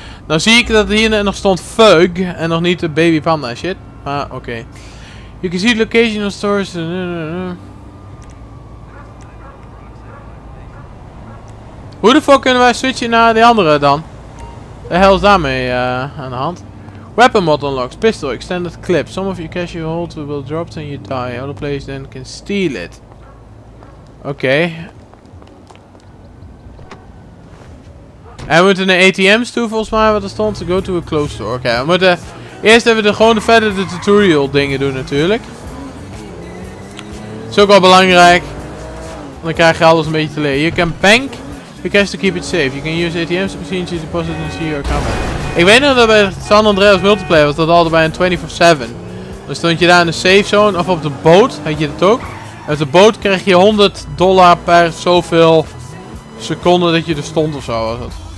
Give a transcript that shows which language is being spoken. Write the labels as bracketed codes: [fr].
[nl] Nou zie ik dat hier nog stond Fug en nog niet de Baby Panda shit. Maar oké. Okay. [en] You can see the location of stores. [nl] Hoe de fuck kunnen wij switchen naar de andere dan? De hel is daarmee aan de hand. [en] Weapon mod unlocks, pistol, extended clip. Some of your cash you hold will drop and you die. Other players then can steal it. Oké. [nl] Okay. En we moeten naar ATM's toe volgens mij wat er stond. [en] Go to a closed store. [nl] Oké, okay, we moeten eerst even gewoon verder de tutorial dingen doen natuurlijk. Is ook wel belangrijk. Dan krijg je alles een beetje te leren. [en] You can bank your cash to keep it safe. You can use ATM's to machine to deposit and see your account. [nl] Ik weet nog dat bij San Andreas Multiplayer was dat altijd bij een 24/7. Dan stond je daar in de safe zone of op de boot, had je dat ook. Op de boot kreeg je $100 per zoveel seconden dat je er stond of zo was het.